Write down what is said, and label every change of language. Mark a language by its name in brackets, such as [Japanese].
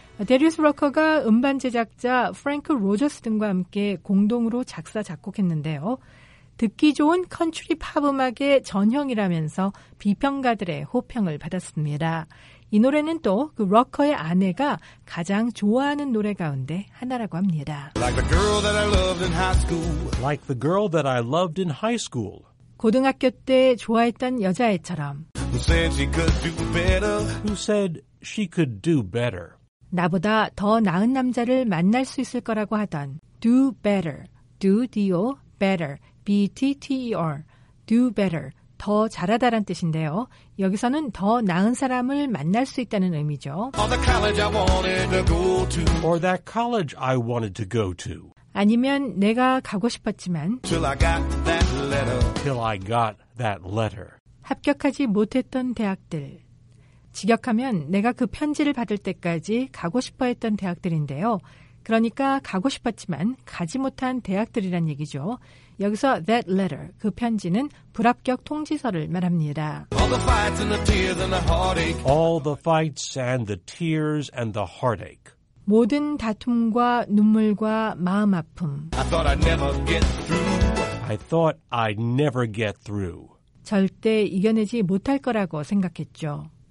[Korean] Darius Rucker가 음반 제작자 프랭크 로저스 등과 함께 공동으로 작사 작곡했는데요. 듣기 좋은 컨트리 팝 음악의 전형이라면서 비평가들의 호평을 받았습니다. 이 노래는 또 그 러커의 아내가 가장 좋아하는 노래 가운데 하나라고 합니다. [English] Like the girl that I loved in high school. Like the girl that I loved in high school. [Korean] 고등학교 때 좋아했던 여자애처럼. [English] Who said she could do better? Who said she could do better? [Korean] 나보다 더 나은 남자를 만날 수 있을 거라고 하던 do better. [English] Do, D-O, better. B-T-T-E-R, do better, [Korean] 더 잘하다란 뜻인데요. 여기서는 더 나은 사람을 만날 수 있다는 의미죠. [English] Or the college I wanted to go to. Or that college I wanted to go to. [Korean] 아니면 내가 가고 싶었지만 [English] Till I got that letter. Till I got that letter. [Korean] 합격하지 못했던 대학들. 직역하면 내가 그 편지를 받을 때까지 가고 싶어했던 대학들인데요. 그러니까 가고 싶었지만 가지 못한 대학들이란 얘기죠. 여기서 that letter, 그 편지는 불합격 통지서를 말합니다. [English] All the fights and the tears and the heartache. All the fights and the tears and the heartache. [Korean] 모든 다툼과 눈물과 마음 아픔. [English] I thought I'd never get through. I thought I'd never get through. 절대 이겨내지 못할 거라고 생각했죠.